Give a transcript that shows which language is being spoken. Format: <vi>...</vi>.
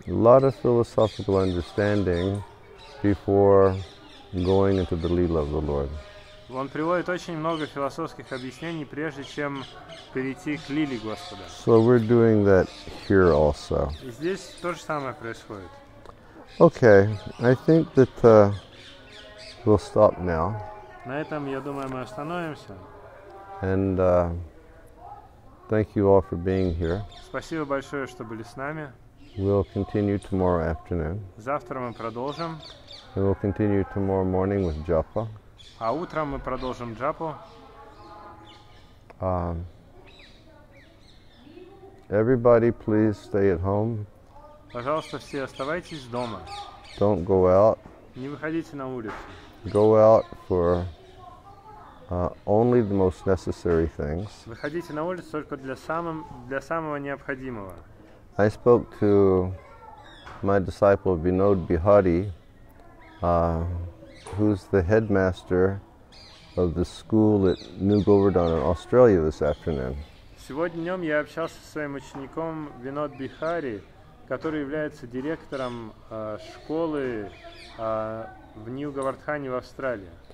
<en>A lot of philosophical understanding before going into the Leela of the Lord.</en> <ru>Он приводит очень много философских объяснений, прежде чем перейти к Лиле Господа.</ru> <en>So we're doing that here also.</en> <ru>И здесь то же самое происходит.</ru> <en>Okay, I think that we'll stop now.</en> <ru>На этом, я думаю, мы остановимся.</ru> <en>And thank you all for being here.</en> <ru>Спасибо большое, что были с нами.</ru> <en>We'll continue tomorrow afternoon.</en> <ru>Завтра мы продолжим.</ru> <en>And we'll continue tomorrow morning with Japa.</en> <ru>А утром мы продолжим Джапу.</ru> <en>Everybody, please stay at home.</en> <ru>Пожалуйста, все оставайтесь дома.</ru> <en>Don't go out.</en> <ru>Не выходите на улицу.</ru> <en>Go out for only the most necessary things.</en> <ru>Выходите на улицу только для самого необходимого.</ru> <en>I spoke to my disciple Vinod Bihari, who's the headmaster of the school at New Govardhan in Australia this afternoon.</en> <ru>Сегодня днем я общался со своим учеником Винод Бихари, который является директором школы в Нью Говардхане в Австралии.</ru>